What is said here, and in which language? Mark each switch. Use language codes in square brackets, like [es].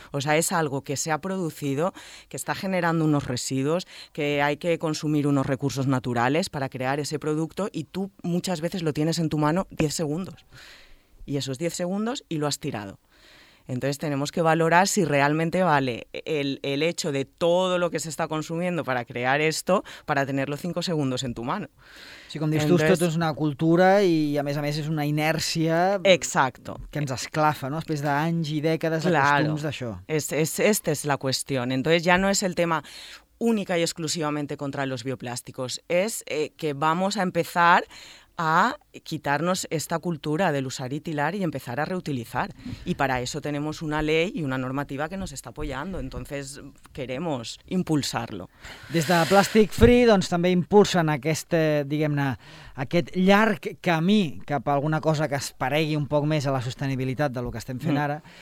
[es] O sea, es algo que se ha producido, que está generando unos residuos, que hay que consumir unos recursos naturales para crear ese producto y tú muchas veces lo tienes en tu mano 10 segundos. Y esos 10 segundos y lo has tirado. Entonces tenemos que valorar si realmente vale el hecho de todo lo que se está consumiendo para crear esto, para tenerlo 5 segundos en tu mano. [ca] Sí, com dius tu, esto és una cultura i a més és una inèrcia. [es] Exacto. [ca] Que ens esclafa, no? Després d'anys i dècades de costums d'això. [es] Claro, esta es la cuestión. Entonces ya no es el tema única y exclusivamente contra los bioplásticos, es que vamos a empezar a quitarnos esta cultura del usar y tirar y empezar a reutilizar. Y para eso tenemos una ley y una normativa que nos está apoyando. Entonces queremos impulsarlo. [ca] Des de Plastic Free doncs, també impulsen aquest, diguem-ne, aquest llarg camí cap a alguna cosa que es paregui un poc més a la sostenibilitat del que estem fent ara.